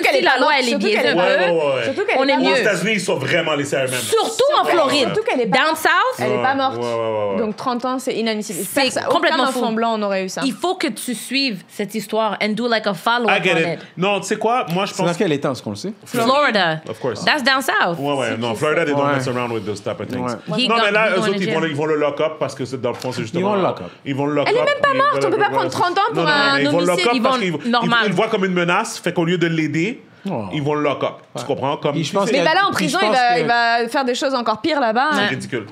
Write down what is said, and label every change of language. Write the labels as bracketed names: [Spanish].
[French] même si la loi, elle est biaisée. On est mieux. Aux États-Unis, ils sont vraiment laissés à eux-mêmes. Surtout en Floride. Surtout qu'elle est [English] down south. [French] Elle n'est pas morte. Ouais. Donc, 30 ans, c'est inadmissible. C'est complètement fou. Blanc, on aurait eu ça. Il faut que tu suives cette histoire [English] and do like a follow-up on it. [French] Non, tu sais quoi? Moi, je pense... C'est dans quel état, ce qu'on le sait? [English] Florida. Of course. That's down south. [French] Ouais, ouais. [English] Non, Florida, they don't mess around with those type of things. [French] Non, mais là, eux autres, ils vont le lock-up parce que c'est dans le fond, c'est justement... Ils vont le lock-up. Elle est même pas morte. On peut pas prendre 30 ans pour ils vont le voient comme une menace, fait qu'au lieu de l'aider, ils vont le lock up. Tu comprends? Comme mais là, en prison, il va faire des choses encore pires là-bas. C'est ridicule.